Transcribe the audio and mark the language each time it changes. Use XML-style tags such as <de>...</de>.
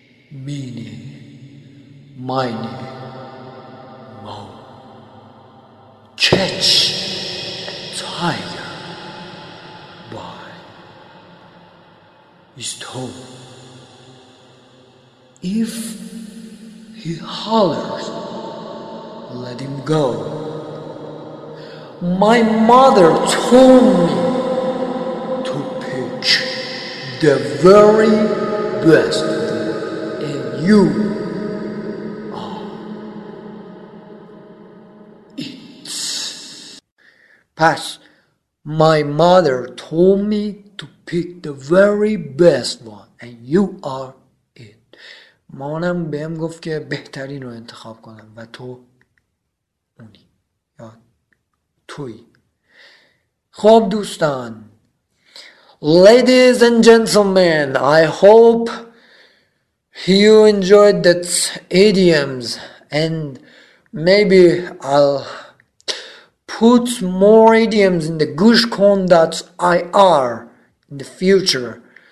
<en>Meeny miny moe, catch tiger his toe، if he hollers let him go. My mother told me to pitch the very best in you. It's pass. My mother told me to pick the very best one and you are it.</en> <fa>مامانم بهم گفت که بهترین رو انتخاب کنم و تو اونی، یا توی. خب دوستان،</fa> <en>Ladies and gentlemen, I hope you enjoyed that idioms and maybe I'll put more idioms in the gushcon.ir in the future.</en>